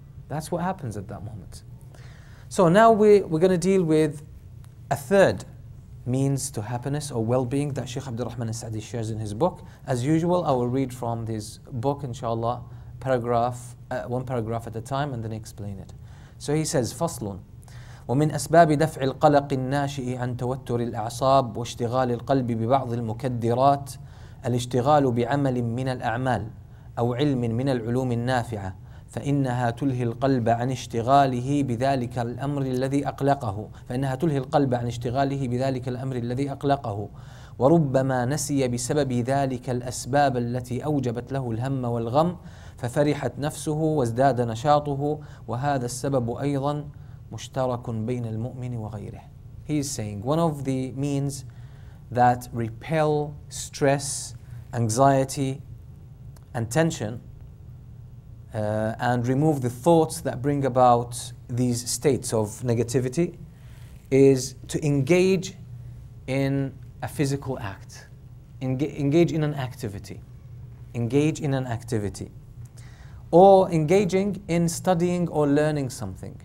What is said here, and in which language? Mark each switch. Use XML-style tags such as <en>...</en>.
<en>That's what happens at that moment. So now we're going to deal with a third means to happiness or well-being that Sheikh Abd al-Rahman al-Sa'di shares in his book. As usual, I will read from his book, inshallah, one paragraph at a time, and then explain it. So he says,</en> <ar>فَصْلٌ وَمِنْ أَسْبَابِ دَفْعِ الْقَلَقِ النَّاشِئِ عَنْ تَوَتُّرِ الْأَعْصَابِ وَاشْتِغَالِ الْقَلْبِ بِبَعْضِ الْمُكَدِّرَاتِ الْاشْتِغَالُ بِعَمَلٍ مِنَ الْأَعْمَالِ أَوْ عِلْمٍ مِنَ الْعُلُومِ النَّافِعَةِ فإنها تلهي القلب عن اشتغاله بذلك الأمر الذي أقلقه فإنها تلهي القلب عن اشتغاله بذلك الأمر الذي أقلقه وربما نسي بسبب ذلك الأسباب التي أوجبت له الهم والغم ففرحت نفسه وازداد نشاطه وهذا السبب أيضا مشترك بين المؤمن وغيره.</ar> <en>He is saying one of the means that repel stress, anxiety and tension and remove the thoughts that bring about these states of negativity is to engage in a physical act, engage in an activity, engage in an activity, or engaging in studying or learning something.</en>